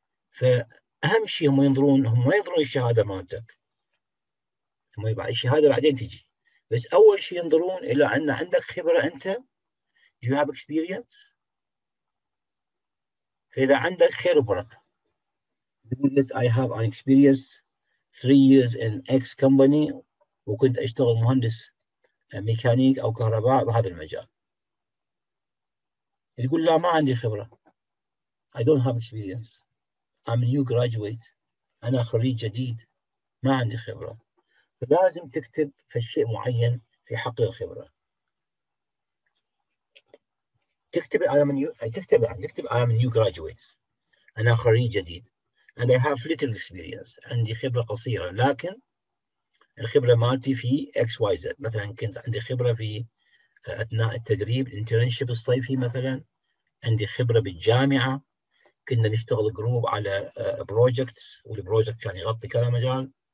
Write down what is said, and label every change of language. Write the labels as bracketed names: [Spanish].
[Arabic] فأهم شيء هم ينظرون، هم ما ينظرون الشهادة مالتك، هم يبقى الشهادة بعدين تجي، بس أول شيء ينظرون إلى أن عندك خبرة أنت. [English] Do you have experience؟ [Arabic] فإذا عندك خير وبركة. [English] Yes, I have an experience 3 years in X company، [Arabic] وكنت أشتغل مهندس ميكانيك أو كهرباء بهذا المجال. يقول لا ما عندي خبرة. [English] I don't have experience. I'm a new graduate. [Arabic] أنا خريج جديد. ما عندي خبرة. فلازم تكتب في شيء معين في حق الخبرة. [English] تكتب I'm a new graduate. [Arabic] أنا خريج جديد. [English] And I have little experience. [Arabic] عندي خبرة قصيرة. لكن الخبرة مالتي في XYZ. مثلا كنت عندي خبرة في أثناء التدريب internship الصيفي مثلا. عندي خبرة بالجامعة، كنا نشتغل جروب على بروجكتس والبروجكت كان يغطي كذا مجال.